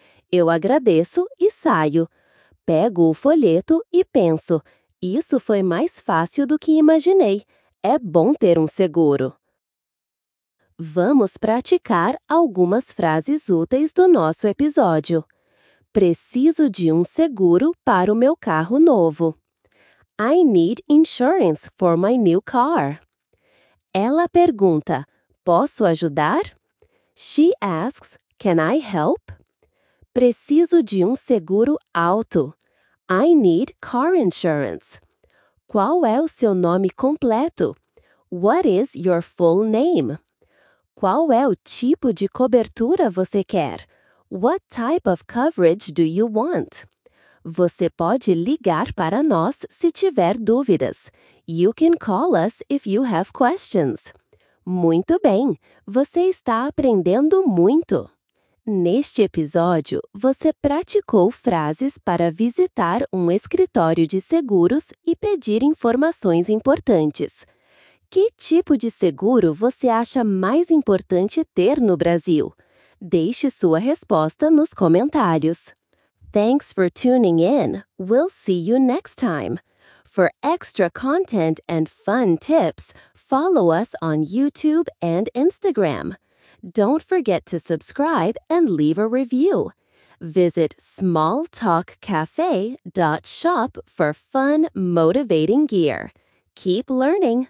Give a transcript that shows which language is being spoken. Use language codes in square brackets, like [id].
[pt] Eu agradeço e saio. Pego o folheto e penso, isso foi mais fácil do que imaginei. É bom ter seguro. Vamos praticar algumas frases úteis do nosso episódio. Preciso de seguro para o meu carro novo. [en] I need insurance for my new car. [pt] Ela pergunta, posso ajudar? [en] She asks, can I help? [pt] Preciso de seguro alto. [en] I need car insurance. [pt] Qual é o seu nome completo? [en] What is your full name? [pt] Qual é o tipo de cobertura você quer? [en] What type of coverage do you want? [pt] Você pode ligar para nós se tiver dúvidas. [en] You can call us if you have questions. [pt] Muito bem! Você está aprendendo muito! Neste episódio, você praticou frases para visitar escritório de seguros e pedir informações importantes. Que tipo de seguro você acha mais importante ter no Brasil? Deixe sua resposta nos comentários. [en] Thanks for tuning in. We'll see you next time. For extra content and fun tips, follow us on YouTube and Instagram. Don't forget to subscribe and leave a review. Visit smalltalkcafe.shop for fun, motivating gear. Keep learning!